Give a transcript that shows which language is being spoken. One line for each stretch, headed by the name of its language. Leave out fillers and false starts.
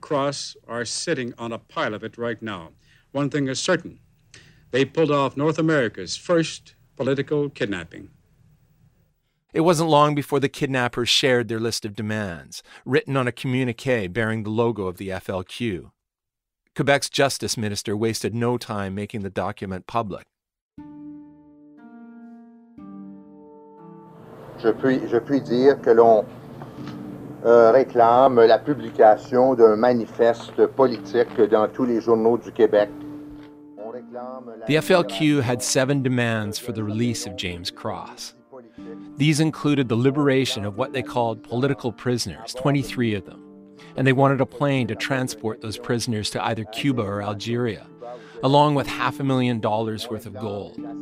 English: Cross are sitting on a pile of it right now. One thing is certain, they pulled off North America's first political kidnapping. It wasn't long before the kidnappers shared their list of demands, written on a communique bearing the logo of the FLQ. Quebec's justice minister wasted no time making the document public.
French: Je puis dire que l'on réclame la publication d'un manifeste politique dans tous les journaux du Québec.
English: The FLQ had seven demands for the release of James Cross. These included the liberation of what they called political prisoners, 23 of them. And they wanted a plane to transport those prisoners to either Cuba or Algeria, along with $500,000 worth of gold.